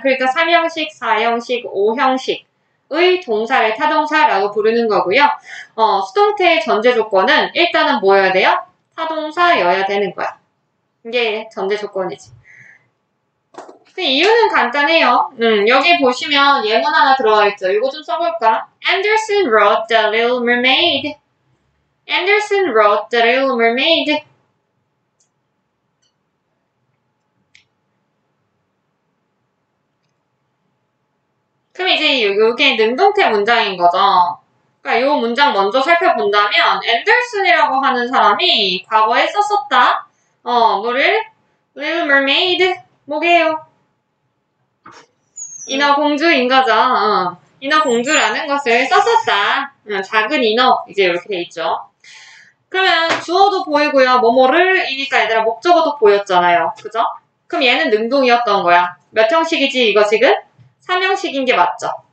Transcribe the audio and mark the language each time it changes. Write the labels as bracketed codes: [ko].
[ko] 그러니까 3형식, 4형식, 5형식. 의 동사를 타동사라고 부르는 거고요. 수동태의 전제 조건은 일단은 뭐여야 돼요? 타동사여야 되는 거야. 이게 전제 조건이지. 그 이유는 간단해요. 여기 보시면 예문 하나 들어와 있죠. 이거 좀 써볼까? [en] Anderson wrote the Little Mermaid. Anderson wrote the Little Mermaid. [ko] 그럼 이제 이게 능동태 문장인 거죠. 그러니까 이 문장 먼저 살펴본다면 앤더슨이라고 하는 사람이 과거에 썼었다. 뭐를? Little Mermaid 뭐게요? 인어공주인 거죠. 인어공주라는 것을 썼었다. 작은 인어 이제 이렇게 돼 있죠. 그러면 주어도 보이고요. 뭐뭐를이니까 얘들아 목적어도 보였잖아요. 그죠? 그럼 얘는 능동이었던 거야. 몇 형식이지 이거 지금? 3형식인 게 맞죠?